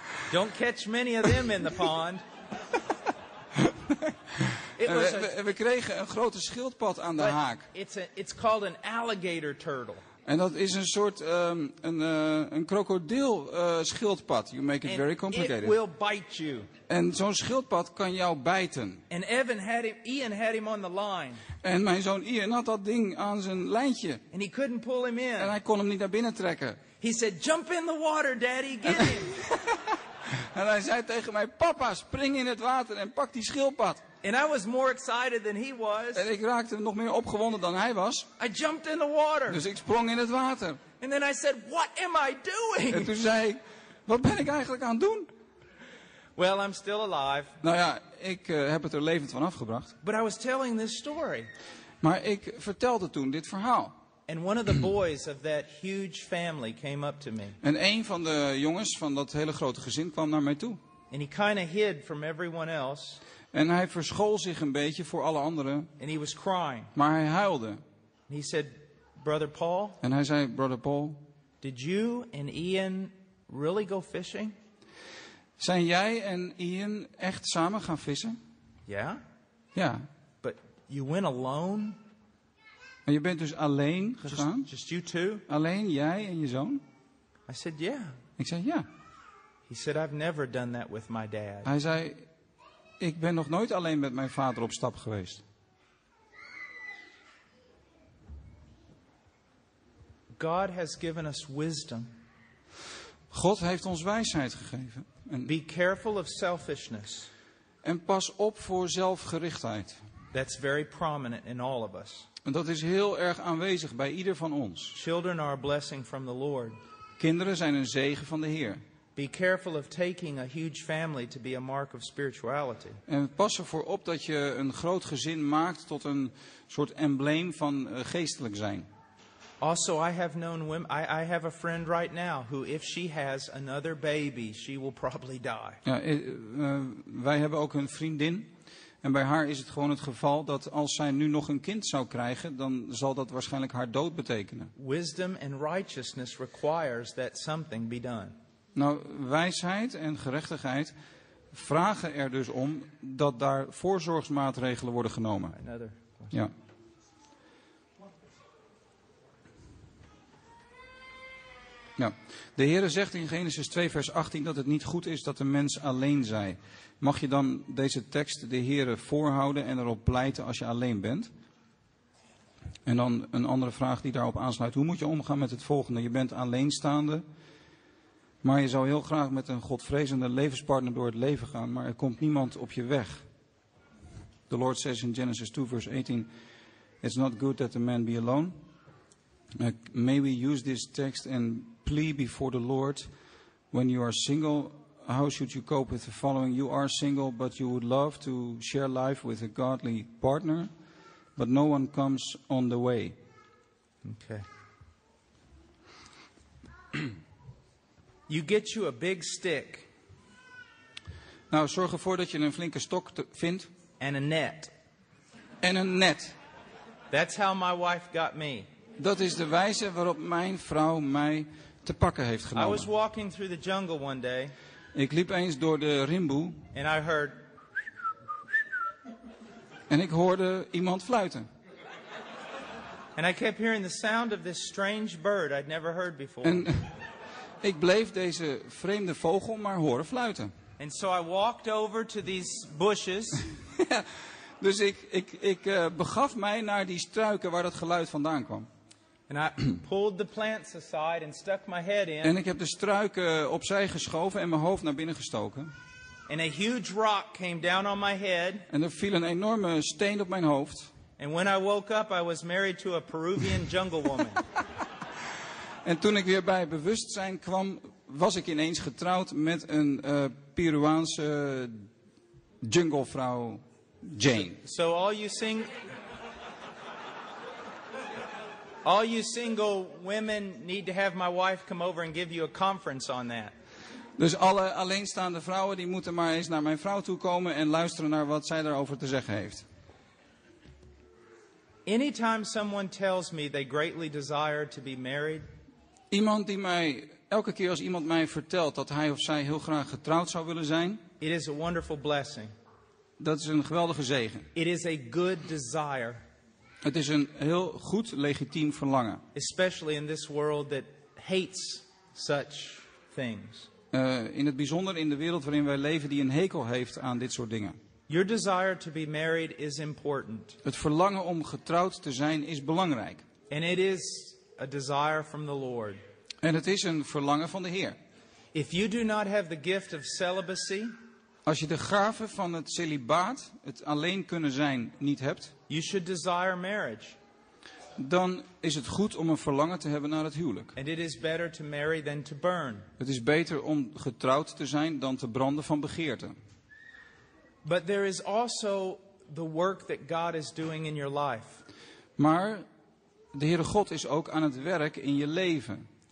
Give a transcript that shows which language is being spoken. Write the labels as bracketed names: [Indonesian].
[English] Don't catch many of them in the pond. [Dutch] we kregen een grote schildpad aan de haak. [English] It's called an alligator turtle. [Dutch] En dat is een soort een krokodil schildpad. [English] You make it and very complicated. It will bite you. [Dutch] En zo'n schildpad kan jou bijten. [English] And Evan had him, Ian had him on the line. [Dutch] En mijn zoon Ian had dat ding aan zijn lijntje. [English] And he couldn't pull him in. [Dutch] En hij kon hem niet naar binnen trekken. [English] He said, "Jump in the water, Daddy, get him." [Dutch] En hij zei tegen mij, papa, spring in het water en pak die schildpad. [English] And I was more excited than he was. [Dutch] En ik raakte nog meer opgewonden dan hij was. [English] I jumped in the water. [Dutch] Dus ik sprong in het water. [English] And then I said, "What am I doing?" [Dutch] En toen zei ik, wat ben ik eigenlijk aan het doen? [English] Well, I'm still alive. [Dutch] Nou ja, ik heb het er levend van afgebracht. [English] But I was telling this story. [Dutch] Maar ik vertelde toen dit verhaal. [English] And one of the boys of that huge family came up to me. [Dutch] En een van de jongens van dat hele grote gezin kwam naar mij toe. [English] And he kind of hid from everyone else. [Dutch] En hij verschool zich een beetje voor alle anderen. [English] And he was crying. [Dutch] Maar hij huilde. [English] And he said, "Brother Paul." [Dutch] En hij zei, "Brother Paul." [English] "Did you and Ian really go fishing?" [Dutch] Zijn jij en Ian echt samen gaan vissen? Ja. [English] Yeah. [Dutch] Ja. [English] But you went alone. [Dutch] En je bent dus alleen gegaan? [English] Just you two? [Dutch] Alleen jij en je zoon? [English] I said, yeah. [Dutch] Ik zei ja. [English] He said, "I've never done that with my dad." [Dutch] Hij zei, ik ben nog nooit alleen met mijn vader op stap geweest. [English] God has given us wisdom. [Dutch] God heeft ons wijsheid gegeven. [English] En be careful of selfishness. [Dutch] En pas op voor zelfgerichtheid. [English] That's very prominent in all of us. [Dutch] En dat is heel erg aanwezig bij ieder van ons. [English] Children are a blessing from the Lord. [Dutch] Kinderen zijn een zegen van de Heer. [English] Be careful of taking a huge family to be a mark of spirituality. [Dutch] En pas ervoor op dat je een groot gezin maakt tot een soort embleem van geestelijk zijn. [English] Also, I have known women. I have a friend right now who, if she has another baby, she will probably die. [Dutch] Ja, wij hebben ook een vriendin. En bij haar is het gewoon het geval dat als zij nu nog een kind zou krijgen, dan zal dat waarschijnlijk haar dood betekenen. [English] Wisdom and righteousness requires that something be done. [Dutch] Nou, wijsheid en gerechtigheid vragen er dus om dat daar voorzorgsmaatregelen worden genomen. [English] Another question. [Dutch] Ja. Ja. De Heere zegt in Genesis 2 vers 18 dat het niet goed is dat de mens alleen zij. Mag je dan deze tekst de Heere voorhouden en erop pleiten als je alleen bent? En dan een andere vraag die daarop aansluit. Hoe moet je omgaan met het volgende? Je bent alleenstaande, maar je zou heel graag met een godvrezende levenspartner door het leven gaan, maar er komt niemand op je weg. [English] The Lord says in Genesis 2 vers 18, "It's not good that a man be alone." May we use this text and plea before the Lord, when you are single, how should you cope with the following? You are single, but you would love to share life with a godly partner, but no one comes on the way. Okay. You get you a big stick. [Dutch] Nou, zorg ervoor dat je een flinke stok vindt. [English] And a net. [Dutch] En een net. [English] That's how my wife got me. [Dutch] Dat is de wijze waarop mijn vrouw mij te pakken heeft genomen. [English] I was walking through the jungle one day. [Dutch] Ik liep eens door de Rimbu. [English] And I heard. [Dutch] En ik hoorde iemand fluiten. [English] And I kept hearing the sound of this strange bird I'd never heard before. [Dutch] En ik bleef deze vreemde vogel maar horen fluiten. [English] And so I walked over to these bushes. [Dutch] Ja, dus ik begaf mij naar die struiken waar dat geluid vandaan kwam. [English] And I pulled the plants aside and stuck my head in. [Dutch] En ik heb de struiken opzij geschoven en mijn hoofd naar binnen gestoken. [English] And a huge rock came down on my head. [Dutch] En er viel een enorme steen op mijn hoofd. [English] And when I woke up, I was married to a Peruvian jungle woman. [Dutch] En toen ik weer bij bewustzijn kwam, was ik ineens getrouwd met een Peruaanse junglevrouw, Jane. [English] So all you sing. All you single women need to have my wife come over and give you a conference on that. [Dutch] Dus alle alleenstaande vrouwen die moeten maar eens naar mijn vrouw toe komen en luisteren naar wat zij daarover te zeggen heeft. [English] Anytime someone tells me they greatly desire to be married. [Dutch] Iemand die mij elke keer als iemand mij vertelt dat hij of zij heel graag getrouwd zou willen zijn. [English] It is a wonderful blessing. [Dutch] Dat is een geweldige zegen. [English] It is a good desire. [Dutch] Het is een heel goed, legitiem verlangen. [English] Especially in this world that hates such things. [Dutch] In het bijzonder in de wereld waarin wij leven die een hekel heeft aan dit soort dingen. [English] Your desire to be married is important. [Dutch] Het verlangen om getrouwd te zijn is belangrijk. [English] And it is a desire from the Lord. [Dutch] En het is een verlangen van de Heer. [English] If you do not have the gift of celibacy. [Dutch] Als je de gave van het celibaat, het alleen kunnen zijn, niet hebt. [English] You should desire marriage. [Dutch] dan is het goed om een verlangen te hebben naar het huwelijk. [English] And it is better to marry than to burn. [Dutch] Het is beter om getrouwd te zijn dan te branden van begeerte. [English] But there is also the work that God is doing in your life. [Dutch] Maar de Heere God is ook aan het werk in je leven.